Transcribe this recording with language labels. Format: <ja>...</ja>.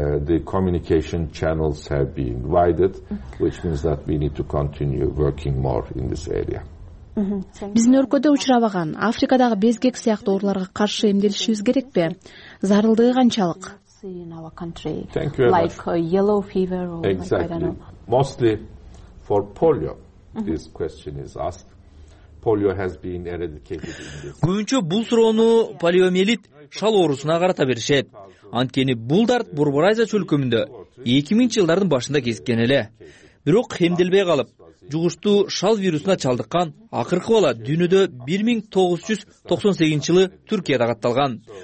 <en>The communication channels have been widened, which means that we need to continue working more in this area.</en> <ky>Биздин өлкөдө учурабаган Африкадагы безгек сыяктуу ооруларга каршы эмделишибиз керекпи? Зарылдыгы канчалык?</ky> <en>Thank you very much. Like yellow fever or exactly. Like, I don't know. Mostly for polio, this question is asked. Polio has been eradicated in this.</en> <ky>Күнчө бул суроону полиомиелит шал оорусуна карата беришет. Анткени бул дарт Борбор Азия өлкөмүндө 2000 жылдардын башында кезиккен эле. Бирок эмделбей калып, жугуштуу шал вирусуна чалдыккан акыркы бала дүйнөдө 1998 жылы Түркияда катталган.</ky>